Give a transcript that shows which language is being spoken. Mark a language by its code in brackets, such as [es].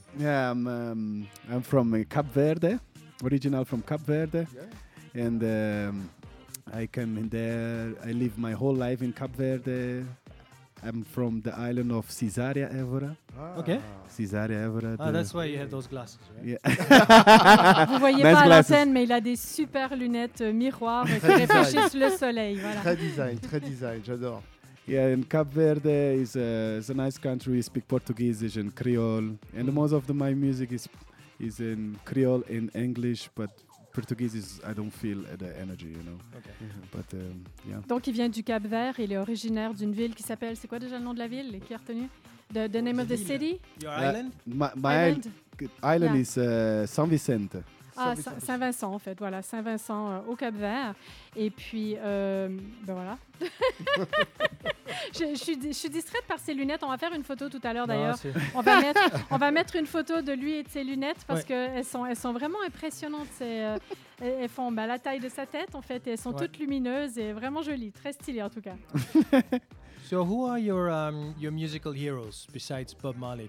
[en] Yeah, I'm from Cap Verde, original from Cap Verde. Yeah. And I came in there, I live my whole life in Cap Verde. I'm from the island of Cesarea Évora. Ah. Okay. Cesarea Évora. Ah, that's why you have those glasses, right? Yeah. [fr] Vous voyez [en] nice pas glasses. [fr] À la scène, mais il a des super lunettes miroirs qui réfléchissent le soleil. Voilà. Très design, j'adore. [en] Yeah, and Cap Verde is a nice country. We speak Portuguese and Creole. And most of my music is in Creole and English, but Portuguese is, I don't feel the energy, you know. Okay. Mm-hmm. But, yeah. [fr] Donc, il vient du Cap Verde. Il est originaire d'une ville qui s'appelle, c'est quoi déjà le nom de la ville qui est retenu? [en] The name of the city? Your island? My island yeah. is San Vicente. [fr] Ah, Saint-Vincent, en fait, voilà, Saint-Vincent au Cap-Vert. Et puis, ben voilà. je suis distraite par ses lunettes. On va faire une photo tout à l'heure, d'ailleurs. Non, on va mettre une photo de lui et de ses lunettes parce qu'elles sont vraiment impressionnantes. Elles font la taille de sa tête, en fait, et elles sont toutes lumineuses et vraiment jolies, très stylées, en tout cas. [en] So who are your musical heroes besides Bob Marley?